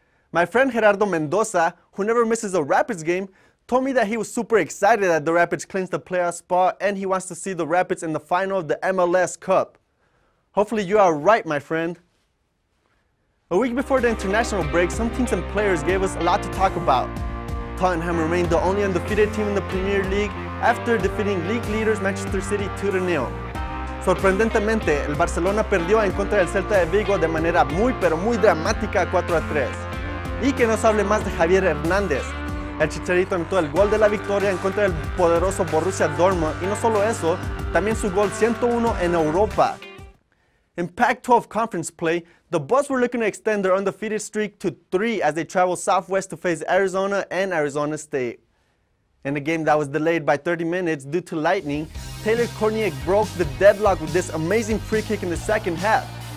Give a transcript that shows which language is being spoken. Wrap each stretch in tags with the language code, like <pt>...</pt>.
<en>My friend Gerardo Mendoza, who never misses a Rapids game, told me that he was super excited that the Rapids clinched the playoff spot and he wants to see the Rapids in the final of the MLS Cup. Hopefully you are right, my friend. A week before the international break, some teams and players gave us a lot to talk about. Tottenham remained the only undefeated team in the Premier League after defeating league leaders Manchester City 2-0.</en> <es>Sorprendentemente, el Barcelona perdió en contra del Celta de Vigo de manera muy pero muy dramática 4-3. Y que no se hable más de Javier Hernández. El Chicharito anotó el gol de la victoria en contra del poderoso Borussia Dortmund y no solo eso, también su gol 101 en Europa.</es> <en>In Pac-12 conference play, the Buzz were looking to extend their undefeated streak to 3 as they travel southwest to face Arizona and Arizona State. In a game that was delayed by 30 minutes due to lightning, Taylor Korniak broke the deadlock with this amazing free kick in the second half.</en>